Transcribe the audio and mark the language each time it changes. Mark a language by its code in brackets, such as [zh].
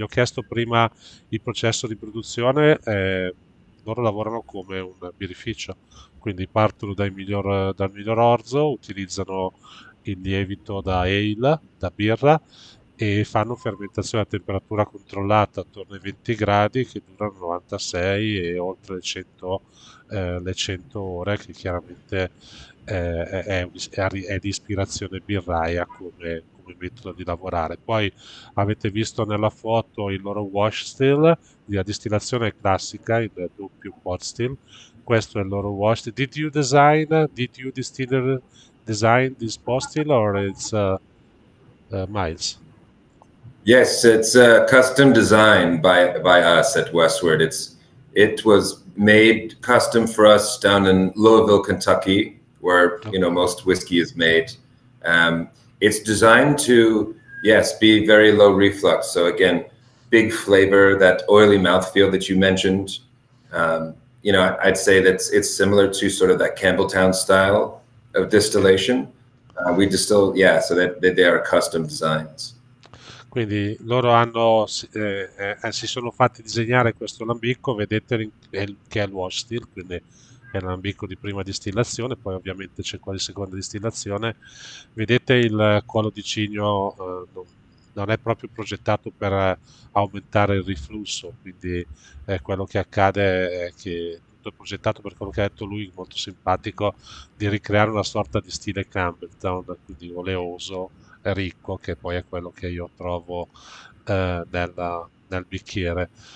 [it] Gli ho chiesto prima il processo di produzione, loro lavorano come un birrificio, quindi partono dal miglior orzo, utilizzano il lievito da ale, da birra, e fanno fermentazione a temperatura controllata attorno ai 20 gradi, che durano 96 e oltre le 100 ore, che chiaramente è di ispirazione birraia come metodo di lavorare. Poi avete visto nella foto il loro wash still, la distillazione classica, il doppio pot still, questo è il loro wash. [en] Did you design, did you distiller design this bottle or it's Miles? Yes, it's a custom design by us at Westward. It was made custom for us down in Louisville, Kentucky, where, okay, you know, most whiskey is made. It's designed to, yes, be very low reflux. So again, big flavor, that oily mouthfeel that you mentioned. You know, I'd say that it's similar to sort of that Campbelltown style of distillation. We distill, yeah, so that they are custom designs. [it] Quindi loro hanno si sono fatti disegnare questo lambicco, vedete che è il wash still, quindi è l'ambicco di prima distillazione, poi ovviamente c'è quello di seconda distillazione. Vedete il collo di cigno, non è proprio progettato per aumentare il riflusso, quindi quello che accade è che tutto è progettato per quello che ha detto lui, molto simpatico, di ricreare una sorta di stile Campbelltown, quindi oleoso, ricco, che poi è quello che io trovo nel bicchiere.